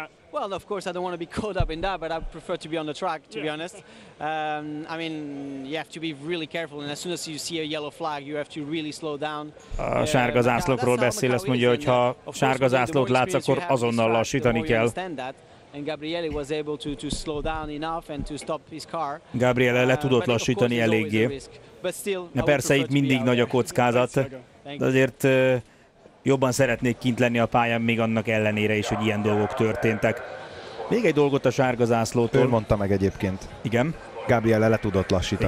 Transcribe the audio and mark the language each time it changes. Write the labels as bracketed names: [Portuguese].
[English] Well, of course, I don't want to be caught up in that, but I prefer to be on the track, to be honest. I mean, you have to be really careful, and as soon as you see a yellow flag, you have to really slow down. [Hungarian] A sárga zászlókról beszél, azt mondja, hogy ha sárga zászlót látsz, akkor azonnal lassítani kell. [English] And Gabriele was able to slow down enough and to stop his car. [Hungarian] Gabriele le tudott lassítani eléggé. De persze itt mindig nagy a kockázat, de azért jobban szeretnék kint lenni a pályán, még annak ellenére is, hogy ilyen dolgok történtek. Még egy dolgot a sárga zászlótól. Ő mondta meg egyébként. Igen. Gabriele le tudott lassítani.